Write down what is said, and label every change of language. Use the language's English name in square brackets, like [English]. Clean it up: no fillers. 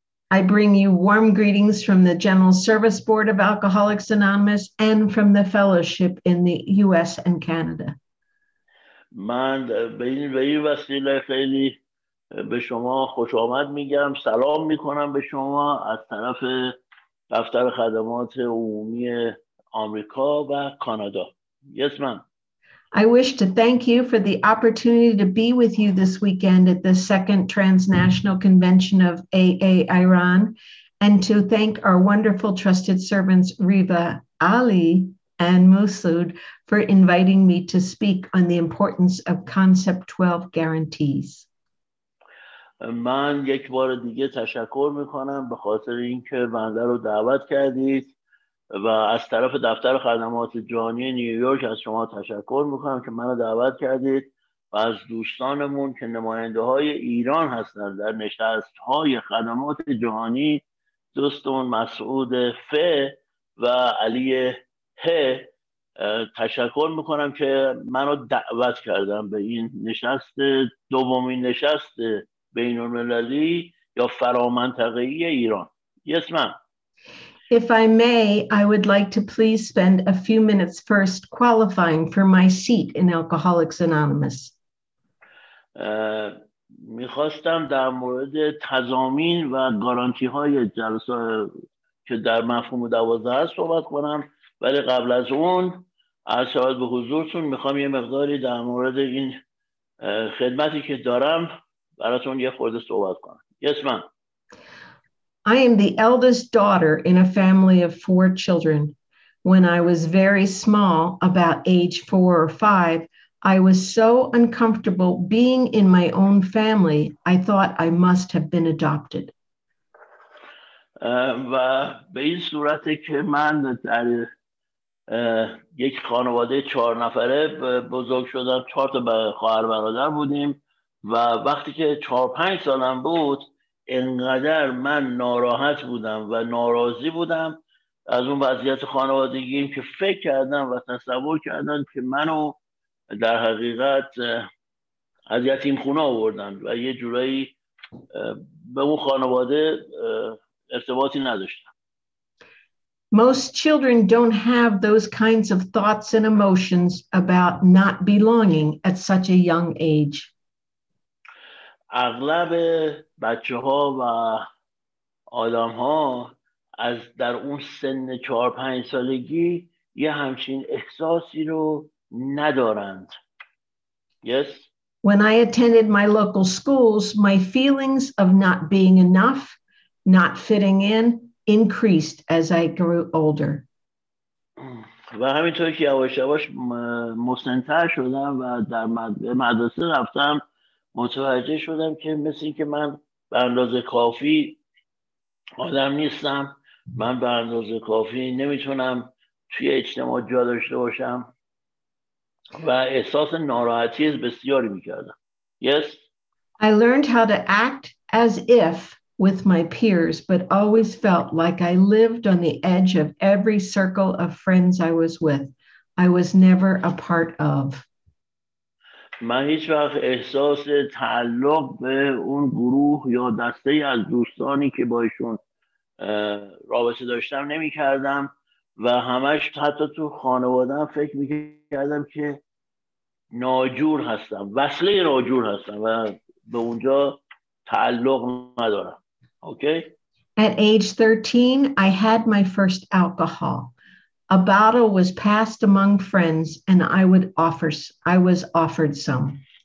[English] I bring you warm greetings from the General Service Board of Alcoholics Anonymous and from the fellowship in the US and Canada. [Persian] من به این وسیله خیلی به شما خوش آمد میگم، سلام میکنم به شما از طرف دفتر خدمات عمومی آمریکا و کانادا. [English] Yes, ma'am. I wish to thank you for the opportunity to be with you this weekend at the second transnational convention of AA Iran, and to thank our wonderful trusted servants Riva, Ali, and Musud for inviting me to speak on the importance of Concept 12 guarantees. [Persian] من یک بار دیگه تشکر میکنم به خاطر اینکه بنده رو دعوت کردید. و از طرف دفتر خدمات جهانی نیویورک از شما تشکر میکنم که منو دعوت کردید و از دوستانمون که نماینده های ایران هستن در نشست های خدمات جهانی، دوستمون مسعود ف و علی ه، تشکر میکنم که منو دعوت کردن به این نشست، دومین نشست بین المللی یا فرامنطقه‌ای ایران. [English] Yes, ma'am. If I may, I would like to please spend a few minutes first qualifying for my seat in Alcoholics Anonymous. [Persian] می‌خواستم در مورد تضامین و گارانتی‌های جلسه که در مفهوم 12 هست صحبت کنم، ولی قبل از اون عرض به حضورتون می‌خوام یه مقداری در مورد این خدمتی که دارم براتون یه خورده صحبت کنم. [English] Yes, ma'am. I am the eldest daughter in a family of 4 children. When I was very small, about age 4 or 5, I was so uncomfortable being in my own family, I thought I must have been adopted. [Persian] و به این صورت که من در یک خانواده 4 نفره بزرگ شدم، 4 تا خواهر برادر بودیم و وقتی که 4-5 سالم بود انقدر من ناراحت بودم و ناراضی بودم از اون وضعیت خانوادگی که فکر کردم و تصور کردم که منو در حقیقت از یتیم خونه آوردن و یه جورایی به اون خانواده ارتباطی نداشتم. [English] Most children don't have those kinds of thoughts and emotions about not belonging at such a young age. [Persian] اغلب بچه‌ها و آدم‌ها از در اون سن 4-5 سالگی یه همچین احساسی رو ندارند. [English] Yes. When I attended my local schools, my feelings of not being enough, not fitting in, increased as I grew older. [Persian] و همینطور که یواش یواش مسن‌تر شدم و در مدرسه رفتم متوجه شدم که مثل اینکه من به اندازه کافی آدم نیستم. من به اندازه کافی نمیتونم توی اجتماع جا داشته باشم و احساس ناراحتی بسیاری میکردم. [English] Yes. I learned how to act as if with my peers, but always felt like I lived on the edge of every circle of friends I was with. I was never a part of. [Persian] من هیچ وقت احساس تعلق به اون گروه یا دسته ای از دوستانی که باشون رابطه داشتم نمی کردم و همش حتی تو خانوادم فکر می کردم که ناجور هستم، وصله ناجور هستم و به اونجا تعلق ندارم. [English] Okay. At age 13, I had my first alcohol. A bottle was passed among friends and I was offered some.